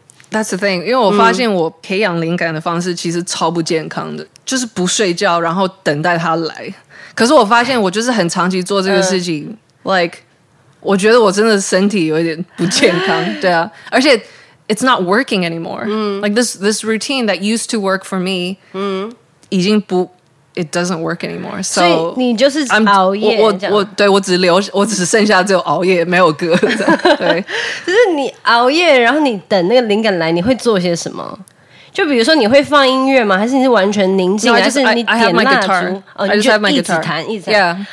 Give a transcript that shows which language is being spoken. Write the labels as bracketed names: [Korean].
[English] That's the thing, [Chinese] 因为我发现我培养灵感的方式其实超不健康的，就是不睡觉，然后等待他来。可是我发现我就是很长期做这个事情、like 我觉得我真的身体有一点不健康。对啊，而且。 [English] It's not working anymore.、Like this routine that used to work for me,、 [Chinese] 已经不 [English] it doesn't work anymore. So [Chinese] 你就是熬夜，我对我只剩下只有熬夜没有歌。对，就是你熬夜，然后你等那个灵感来，你会做些什么？就比如说你会放音乐吗？还是你是完全宁静？ [English] No, just, [Chinese] 还是你点蜡烛？ [English] I have my guitar. [Chinese] 哦，你就一直弹一直弹。